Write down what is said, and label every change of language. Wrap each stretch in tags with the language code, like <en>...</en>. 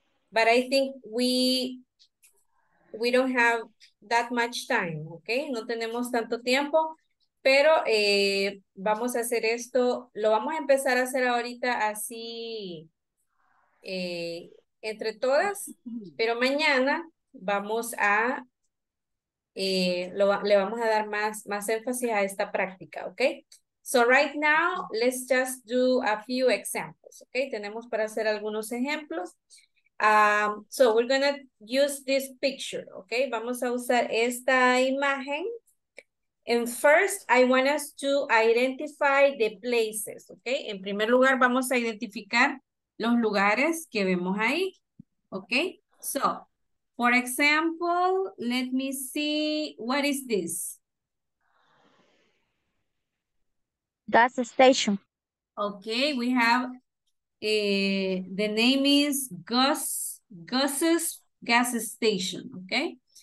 <en>But I think we don't have that much time, okay?</en> <es>No tenemos tanto tiempo, pero vamos a hacer esto. Lo vamos a empezar a hacer ahorita así entre todas, pero mañana vamos a le vamos a dar más énfasis a esta práctica, okay?</es> <en>So right now, let's just do a few examples, okay?</en> <es>Tenemos para hacer algunos ejemplos.</es> <en>So we're gonna use this picture, okay?</en> <es>Vamos a usar esta imagen.</es> <en>And first, I want us to identify the places, okay?</en> <es>En primer lugar, vamos a identificar los lugares que vemos ahí, okay?</es> <en>So, for example, let me see, what is this? That's a station. Okay, we have, the name is Gus's Gas Station, okay?</en>